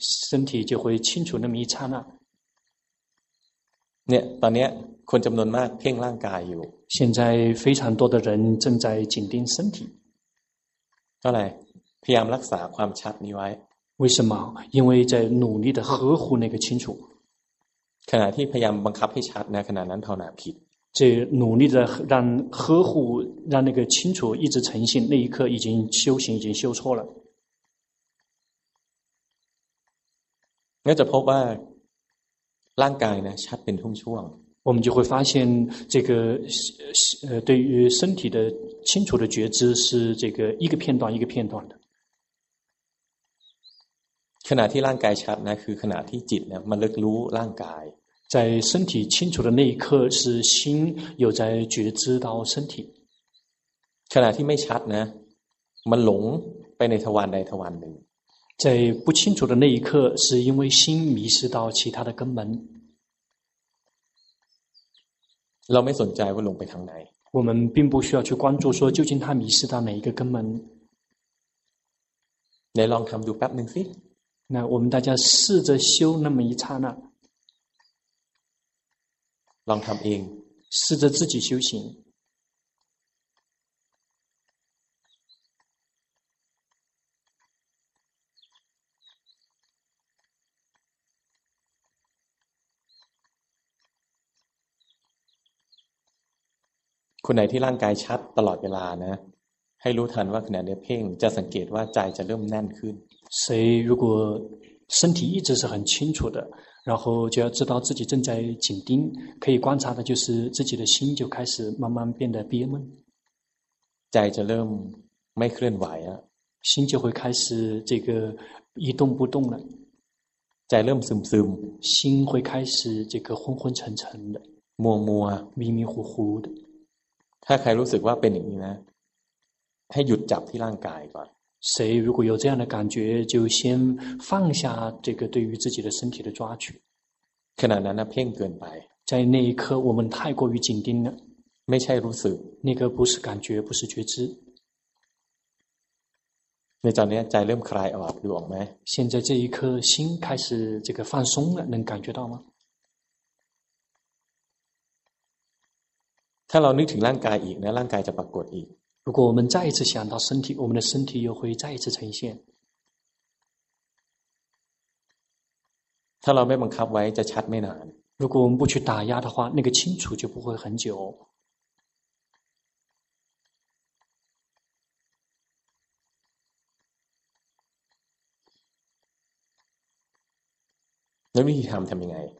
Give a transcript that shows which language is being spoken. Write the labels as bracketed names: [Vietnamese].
[Chinese] 身体就会清楚那么一刹那 [Thai] เนี่ยตอนนี้คนจำนวนมากเพ่งร่างกายอยู่ [Chinese] 现在非常多的人正在紧盯身体 [Thai] ก็อะไรพยายามรักษาความชัดนี้ไว้ [Chinese] 为什么因为在努力的呵护那个清楚 [Thai] ขณะที่พยายามบังคับให้ชัดในขณะนั้นภาวนาผิด [Chinese] 这努力的让呵护让那个清楚一直呈现那一刻已经修行已经修错了 [Thai] 那就พบว่าร่างกายนะชัดเป็นช่วง [Chinese] ๆ我们就会发现这个对于身体的清楚的觉知是这个一个片段一个片段的 [Thai] ขณะที่ร่างกายชัดนะคือขณะที่จิตเนี่ยมันเลิกรู้ร่างกาย [Chinese] 在身体清楚的那一刻是心有在觉知到身体 [Thai] ขณะที่ไม่ชัดนะมันหลงไปในทวารใดทวารหนึ่ง [Chinese] 在不清楚的那一刻是因为心迷失到其他的根本 [Thai] เราไม่สนใจว่าหลงไปทางไหน [Chinese] 我们并不需要去关注说究竟他迷失到哪一个根本 [Thai] ไหนลองทำดูแป๊บหนึ่งสิ [Chinese] 那我们大家试着修那么一刹那 [Thai] ลองทำเอง [Chinese] 试着自己修行 [Thai] คนไหนที่ร่างกายชัดตลอดเวลานะให้รู้ทันว่าขณะนี้เพ่งจะสังเกตว่าใจจะเริ่มแน่นขึ้น [Chinese] 谁如果身体一直是很清楚的然后就要知道自己正在紧盯可以观察的就是自己的心就开始慢慢变得憋闷 [Thai] ใจจะเริ่มไม่เคลื่อนไหว [Chinese] 心就会开始这个一动不动了 [Thai] ใจเริ่มซึมซึม [Chinese] 心会开始这个昏昏沉沉的 [Thai] มัวมัว [Chinese] 迷迷糊糊的 [Thai] ถ้าใครรู้สึกว่าเป็นอย่างนี้นะให้หยุดจับที่ร่างกายก่อน [Chinese] 谁如果有这样的感觉就先放下这个对于自己的身体的抓取 [Thai] ขณะนั้นนะเพ่งเกินไป [Chinese] 在那一刻我们太过于紧盯了 [Thai] ไม่ใช่รู้สึก [Chinese] 那个不是感觉不是觉知 [Thai] ในตอนนี้ใจเริ่มคลายออกดูออกไหม [Chinese] 现在这一刻心开始这个放松了能感觉到吗 [Thai] ถ้าเรานึกถึงร่างกายอีกนะร่างกายจะปรากฏอีก [Chinese] 如果我们再一次想到身体我们的身体又会再一次呈现 [Thai] ถ้าเราไม่บังคับไว้จะชัดไม่นาน [Chinese] 如果我们不去打压的话那个清楚就不会很久 [Thai] 那วิธีทำทำยังไง